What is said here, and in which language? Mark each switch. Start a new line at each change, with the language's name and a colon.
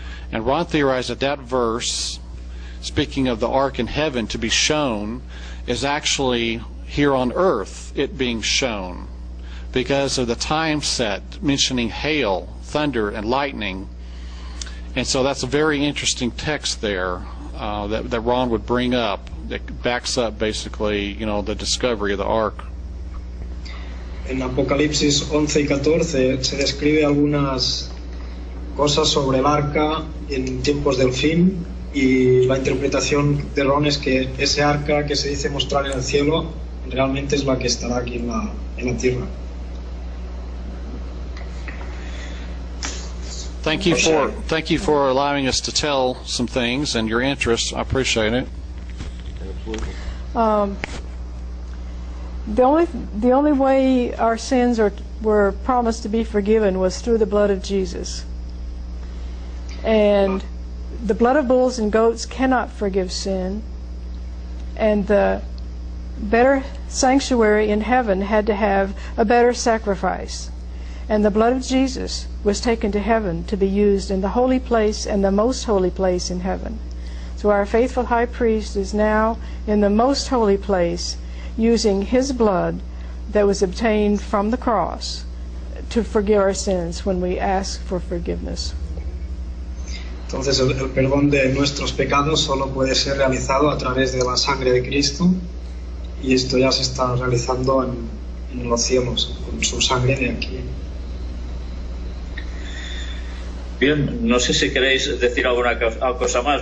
English: And Ron theorized that verse, speaking of the ark in heaven to be shown, is actually here on earth, it being shown, because of the time set, mentioning hail, thunder, and lightning. And so that's a very interesting text there that Ron would bring up that backs up basically, you know, the discovery of the ark.
Spanish: En Apocalipsis 11 y 14 se describe algunas cosas sobre el arca en tiempos del fin y la interpretación de Ron es que ese arca que se dice mostrar en el cielo realmente es la que estará aquí en la tierra.
English: Thank you for allowing us to tell some things and your interest. I appreciate it. The only way our sins were promised to be forgiven was through the blood of Jesus. And the blood of bulls and goats cannot forgive sin. And the better sanctuary in heaven had to have a better sacrifice. And the blood of Jesus was taken to heaven to be used in the holy place and the most holy place in heaven. So our faithful high priest is now in the most holy place using his blood that was obtained from the cross to forgive our sins when we ask for forgiveness.
Spanish: Entonces el perdón de nuestros pecados solo puede ser realizado a través de la sangre de Cristo y esto ya se está realizando en los cielos con su sangre de aquí. Bien, no sé si queréis decir alguna cosa más.